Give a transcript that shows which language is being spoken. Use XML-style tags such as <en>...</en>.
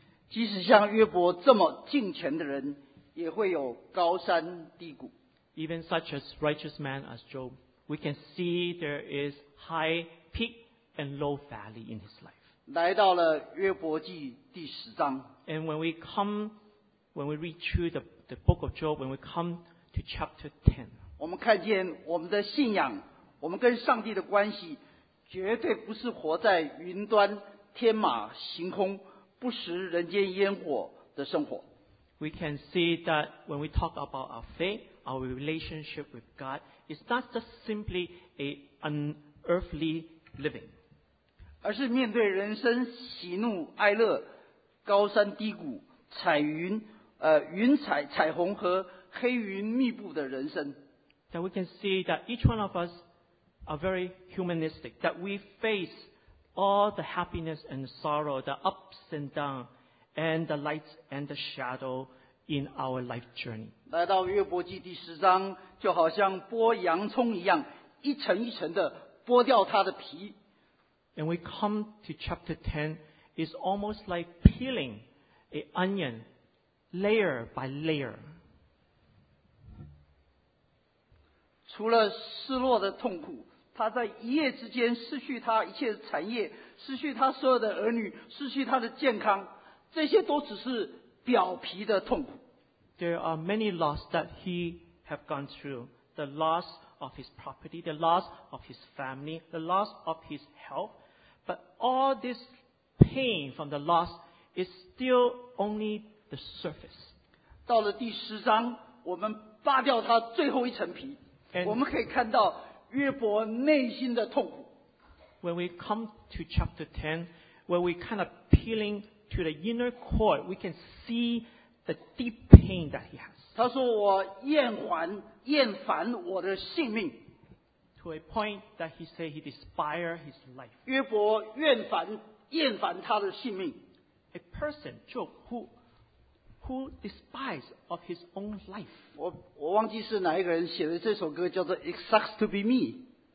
<zh>即使像约伯这么敬虔的人，也会有高山低谷。</zh> <en>Even such a righteous man as Job, we can see there is high peak and low valley in his life.</en> <zh>来到了约伯记第十章。</zh> <en>And when we read through the book of Job, when we come to chapter 10,</en> <zh>我们看见我们的信仰，我们跟上帝的关系，绝对不是活在云端。天马行空，不食人间烟火的生活。</zh> <en>We can see that when we talk about our faith, our relationship with God, it's not just simply an unearthly living.</en> <zh>而是面对人生喜怒哀乐、高山低谷、彩云、云彩、彩虹和黑云密布的人生。</zh> <en>That we can see that each one of us are very humanistic, that we face all the happiness and sorrow, the ups and downs, and the lights and the shadow in our life journey.</en> <zh>来到约伯记第十章，就好像剥洋葱一样，一层一层的剥掉它的皮。</zh> <en>And we come to chapter 10, it's almost like peeling an onion layer by layer.</en> <zh>除了失落的痛苦，他在一夜之间失去他一切产业，失去他所有的儿女，失去他的健康，这些都只是表皮的痛苦。</zh> <en>There are many loss that he have gone through. The loss of his property, the loss of his family, the loss of his health. But all this pain from the loss is still only the surface.</en> <zh>到了第十章，我们扒掉他最后一层皮，我们可以看到约伯内心的痛苦。</zh> <en>When we come to chapter 10, where we kind of peeling to the inner core, we can see the deep pain that he has.</en> <zh>他说我厌烦我的性命。</zh> <en>To a point that he say he despise his life.</en> <zh>约伯厌烦他的性命。</zh> <en>A person, Job, who despise of his own life.</en> <zh>我忘记是哪一个人写的这首歌叫做 It Sucks to be Me.</zh>